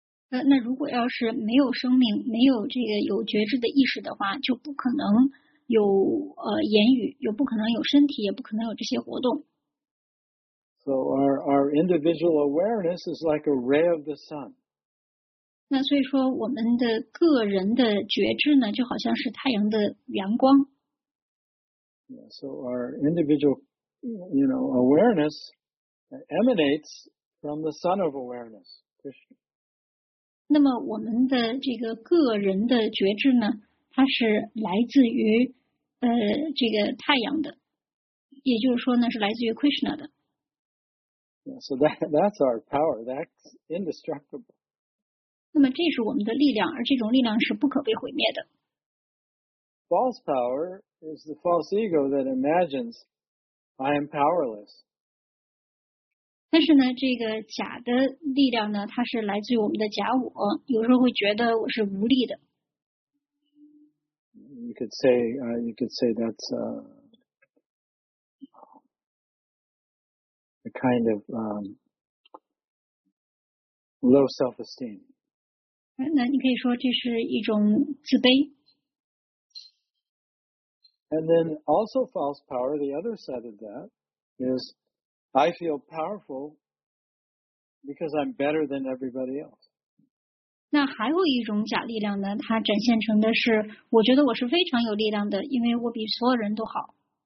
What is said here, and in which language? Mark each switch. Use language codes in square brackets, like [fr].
[zh] 那如果要是没有生命，没有这个有觉知的意识的话，就不可能有言语，也不可能有身体，也不可能有这些活动。 [en] So our individual awareness is like a ray of the sun. [zh] 那所以说我们的个人的觉知呢，就好像是太阳的阳光。 [en] Yeah, so our individual, you know, awareness,emanates from the sun of awareness, Krishna. [zh] 那么我们的这个个人的觉知呢，它是来自于这个太阳的，也就是说呢，是来自于 Krishna 的。 [en] Yeah, so that's our power. That's indestructible. [zh] 那么这是我们的力量，而这种力量是不可被毁灭的。 [en] False power is the false ego that imagines I am powerless. [zh] 但是呢，这个假的力量呢，它是来自于我们的假我，有时候会觉得我是无力的。 [en] You could say that's a kind of low self-esteem. [zh] 那你可以说这是一种自卑。 [en] And then also false power, the other side of that is. I feel powerful because I'm better than everybody else. [zh] 那还有一种假力量呢，它展现成的是，我觉得我是非常有力量的，因为我比所有人都好。